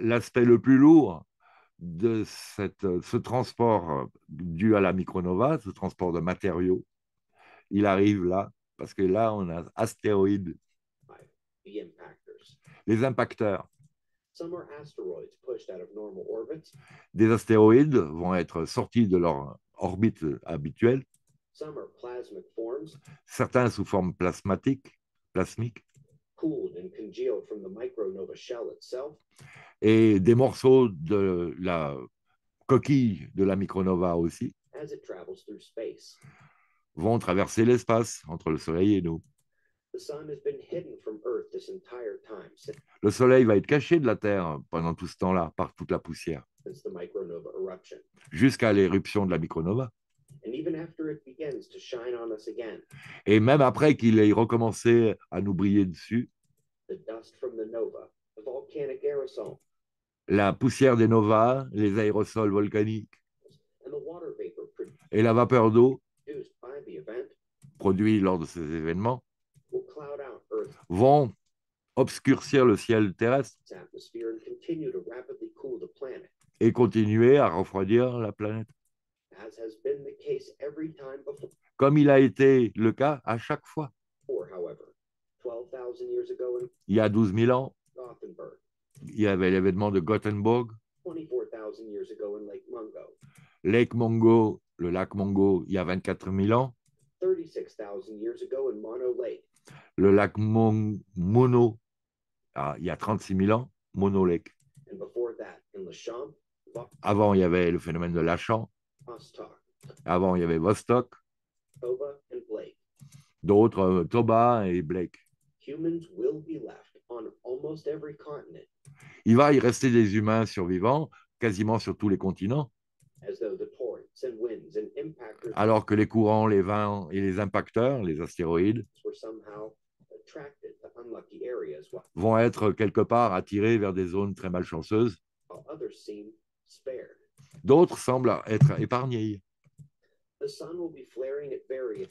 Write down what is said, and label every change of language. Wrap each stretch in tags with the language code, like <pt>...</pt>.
<fr>L'aspect le plus lourd de cette, ce transport dû à la micronova, ce transport de matériaux, il arrive là, parce que là, on a astéroïdes.</fr> <en>The impactors.</en> <fr>Les impacteurs.</fr> <en>Some are asteroids pushed out of normal orbits.</en> <fr>Des astéroïdes vont être sortis de leur orbite habituelle.</fr> <en>Some are plasmic forms.</en> <fr>Certains sous forme plasmatique, plasmique.</fr> <en>Cooled and congealed from the micronova shell itself.</en> <fr>Et des morceaux de la coquille de la micronova aussi</fr> <en>as it travels through space.</en> <fr>Vont traverser l'espace entre le Soleil et nous.</fr> <en>The sun has been hidden from Earth this entire time.</en> <fr>Le Soleil va être caché de la Terre pendant tout ce temps-là, par toute la poussière,</fr> <en>since the micronova eruption.</en> <fr>Jusqu'à l'éruption de la micronova.</fr> <en>And even after it begins to shine on us again,</en> <fr>et même après qu'il ait recommencé à nous briller dessus,</fr> <en>the dust from the nova, the volcanic aerosol,</en> <fr>la poussière des novas, les aérosols volcaniques,</fr> <en>and the water vapor</en> <fr>et la vapeur d'eau</fr> <en>produced by the event,</en> <fr>produit lors de ces événements</fr> <en>will cloud out Earth,</en> <fr>vont obscurcir le ciel terrestre</fr> <en>atmosphere and continue to rapidly cool the planet,</en> <fr>et continuer à refroidir la planète.</fr> <en>As has been the case every time before.</en> <fr>Comme il a été le cas à chaque fois.</fr> <en>Or, however, 12,000 years ago in...</en> <fr>Il y a 12 000 ans,</fr> <en>Gothenburg.</en> <fr>Il y avait l'événement de Gothenburg.</fr> <en>24,000 years ago in Lake Mungo.</en> <fr>Lake Mungo, le lac Mungo, il y a 24 000 ans.</fr> <en>36,000 years ago in Mono Lake.</en> <fr>Le lac Mono, ah, il y a 36 000 ans, Mono Lake.</fr> <en>And before that, in Lachan,</en> <fr>avant, il y avait le phénomène de Lachan. Avant, il y avait Vostok,</fr> <en>Toba and Blake.</en> <fr>D'autres, Toba et Blake.</fr> <en>Humans will be left on almost every continent.</en> <fr>Il va y rester des humains survivants quasiment sur tous les continents.</fr> <en>As though the torrents and winds and impactors,</en> <fr>alors que les courants, les vents et les impacteurs, les astéroïdes,</fr> <en>were somehow attracted to unlucky areas,</en> <fr>vont être quelque part attirés vers des zones très malchanceuses.</fr> <en>While others seem spared.</en> <fr>D'autres semblent être épargnés.</fr> <en>The sun will be flaring at various...</en>